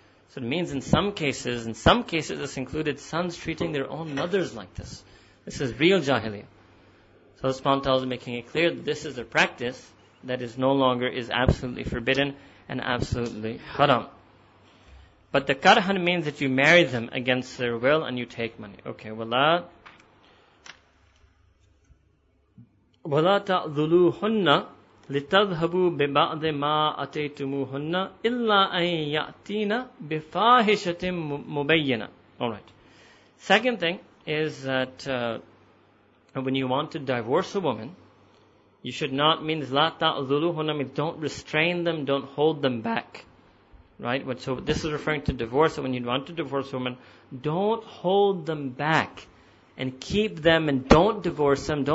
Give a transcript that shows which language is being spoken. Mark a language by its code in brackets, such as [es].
[en] So it means in some cases this included sons treating their own mothers like this. This is real jahiliyyah. So the Spontal is making it clear that this is a practice that is no longer is absolutely forbidden and absolutely haram. But the karhan means that you marry them against their will and you take money. Okay, [ar] wala ta'dhuluhunna لِتَذْهَبُوا بِبَعْضِ مَا أَتَيْتُمُوهُنَّ إِلَّا أَن يَأْتِينَ بِفَاهِشَةٍ مُبَيِّنَةٍ. [en] Alright. Second thing is that when you want to divorce a woman, you should not mean [ar] لَا تَعْذُلُهُنَّ [en] means don't restrain them, don't hold them back. Right? So this is referring to divorce. When you want to divorce a woman, don't hold them back and keep them and don't divorce them.